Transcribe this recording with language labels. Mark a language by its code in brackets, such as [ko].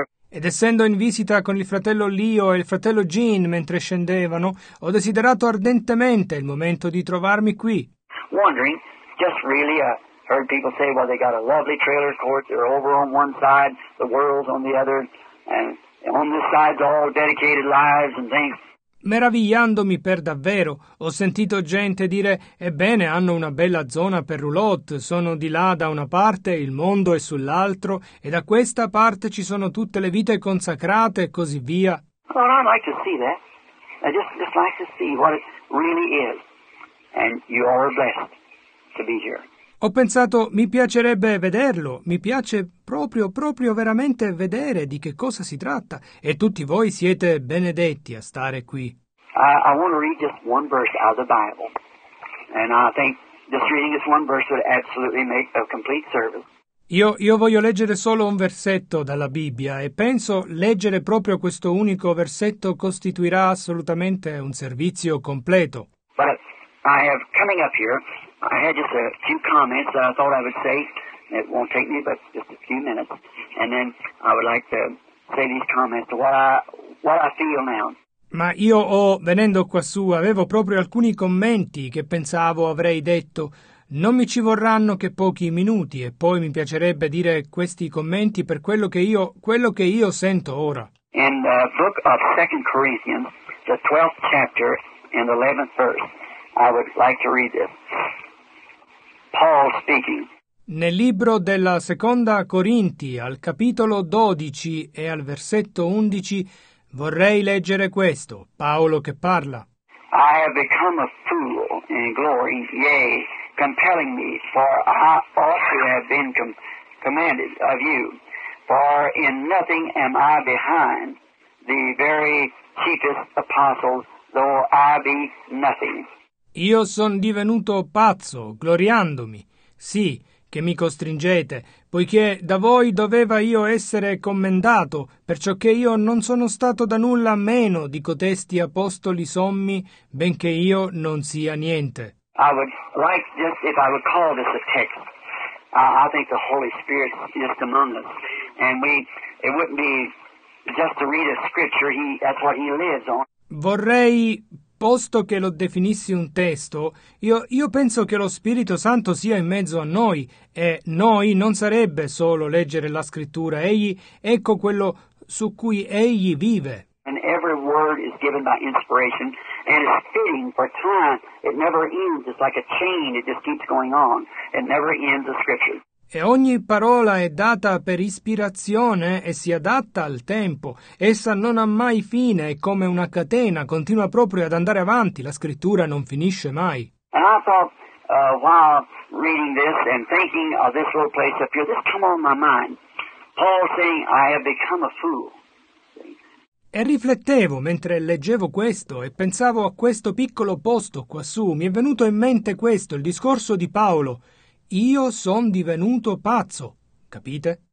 [it] Ed essendo in visita con il fratello Leo e il fratello Gene mentre scendevano, ho desiderato ardentemente il momento di trovarmi qui. [en] Wondering, just really, heard people say, well, they got a lovely trailer court, they're over on one side, the world's on the other. And on this side's all dedicated lives and things. [it] Meravigliandomi per davvero, ho sentito gente dire, ebbene, hanno una bella zona per roulotte, sono di là da una parte, il mondo è sull'altro, e da questa parte ci sono tutte le vite consacrate e così via. [en] Well, I'd like to see that. I'd just like to see what it really is. And you are blessed to be here. [it] Ho pensato, mi piacerebbe vederlo, mi piace proprio, proprio veramente vedere di che cosa si tratta, e tutti voi siete benedetti a stare qui. [en] I want to read just one verse out of the Bible, and I think just reading this one verse would absolutely make a complete service. [it] Io voglio leggere solo un versetto dalla Bibbia e penso leggere proprio questo unico versetto costituirà assolutamente un servizio completo. [en] But I have coming up here, I had just a few comments that I thought I would say. It won't take me but just a few minutes, and then I would like to say these comments to what I feel now. [it] Ma io ho, venendo quassù, avevo proprio alcuni commenti che pensavo avrei detto. Non mi ci vorranno che pochi minuti e poi mi piacerebbe dire questi commenti per quello che io sento ora. [en] In the book of 2 Corinthians, the 12th chapter and 11th verse, I would like to read this. Paul speaking. [it] Nel libro della Seconda Corinti, al capitolo 12 e al versetto 11, vorrei leggere questo, Paolo che parla. [en] I have become a fool in glory, yea, compelling me, for I also have been commanded of you, for in nothing am I behind the very chiefest apostles, though I be nothing. [it] Io son divenuto pazzo, gloriandomi, sì, che mi costringete, poiché da voi doveva io essere commendato, perciò che io non sono stato da nulla meno di cotesti apostoli sommi, benché io non sia niente. [en] I would like just if I would call this a text. I think the Holy Spirit is just among us, and it wouldn't be just to read a scripture. That's what he lives on. [it] Vorrei, posto che lo definissi un testo, io penso che lo Spirito Santo sia in mezzo a noi, e noi non sarebbe solo leggere la Scrittura, egli, ecco quello su cui egli vive. [en] And every word is given by inspiration, and it's fitting for time. It never ends, it's like a chain, it just keeps going on. It never ends the Scripture. [it] E ogni parola è data per ispirazione e si adatta al tempo. Essa non ha mai fine, è come una catena, continua proprio ad andare avanti. La Scrittura non finisce mai. [en] And I thought, while reading this and thinking of this little place up here, this came on my mind. Paul saying, I have become a fool. [it] E riflettevo mentre leggevo questo e pensavo a questo piccolo posto quassù. Mi è venuto in mente questo, il discorso di Paolo. Io son divenuto pazzo, capite?